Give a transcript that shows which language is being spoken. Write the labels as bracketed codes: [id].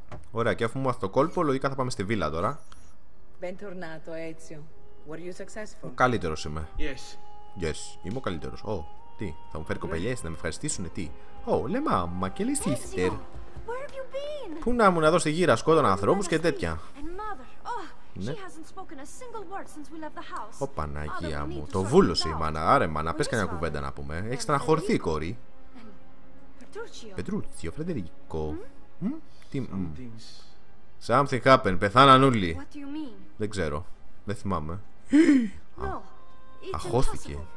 [el] Ωραία, και αφού μου μάθω το κόλπο, λογικά θα πάμε στη βίλα τώρα. [en] Bentornato, Ezio. Were you successful? [el] Ο καλύτερος είμαι. [en] Yes. [el] Yes, είμαι ο καλύτερος. Oh, τι, θα μου φέρει κοπελιές, να με ευχαριστήσουν, τι. Oh, λέει μάμα και λέει sister. Πού να ήμουν εδώ στη γύρα, σκότωνα ανθρώπους και τέτοια. Ναι. [en] She hasn't spoken a single word since we left the house. [el] Ω Παναγία μου, το βούλωσε η μάνα. Άρε μάνα, πες κανένα κουβέντα να πούμε. Έχεις στεναχωρηθεί η κόρη. Πετρούτσιο, Φρεντερίκο. [en] Something happened, [el] πεθάναν όλοι. Δεν ξέρω, δεν θυμάμαι. Αχώθηκε.